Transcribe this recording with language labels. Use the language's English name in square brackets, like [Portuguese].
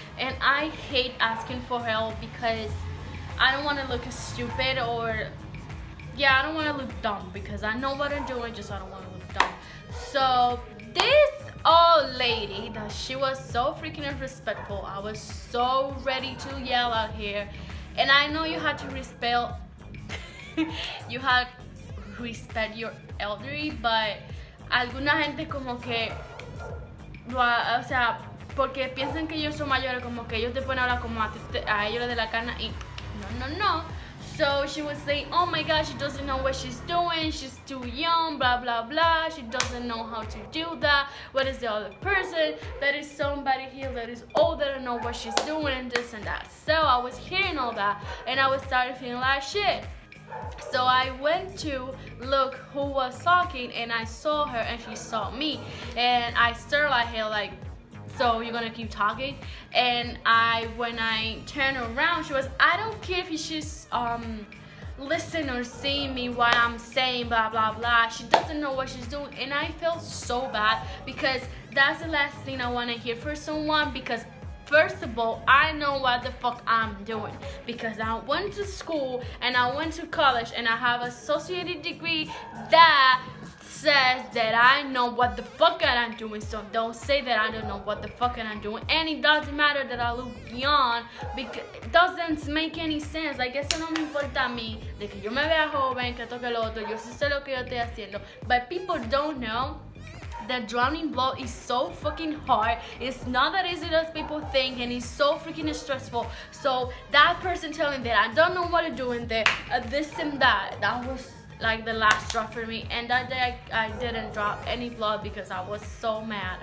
[English] And I hate asking for help, because I don't want to look stupid, or, yeah, I don't want to look dumb, because I know what I'm doing, just I don't want to look dumb. So this old lady, she was so freaking disrespectful. I was so ready to yell out here. And I know you had to respect you had respect your elderly, [Spanish] but alguna gente como que o sea, porque piensan que ellos son mayores, como que ellos te pueden hablar como a ellos les de la cana y no. [English] So she would say, oh my gosh, she doesn't know what she's doing, she's too young, blah, blah, blah, she doesn't know how to do that, what is the other person, there is somebody here that is older and know what she's doing and this and that. So I was hearing all that and I was starting feeling like shit. So I went to look who was talking and I saw her and she saw me and I stared at her like, so you're gonna keep talking? And when I turned around, she was, I don't care if she's listening or seeing me while I'm saying blah blah blah. She doesn't know what she's doing. And I felt so bad because that's the last thing I wanna hear for someone, because first of all, I know what the fuck I'm doing because I went to school and I went to college and I have an associated degree that says that I know what the fuck I'm doing, so don't say that I don't know what the fuck I'm doing. And it doesn't matter that I look young, because it doesn't make any sense. [Spanish] Like, eso no me importa a mí, de que yo me vea joven, que toque lo otro, yo sí sé lo que yo estoy haciendo. [English] But people don't know that drowning blow is so fucking hard. It's not that easy as people think, and it's so freaking stressful. So that person telling that I don't know what I'm doing there, this and that was like the last drop for me. And that day I didn't drop any blood because I was so mad.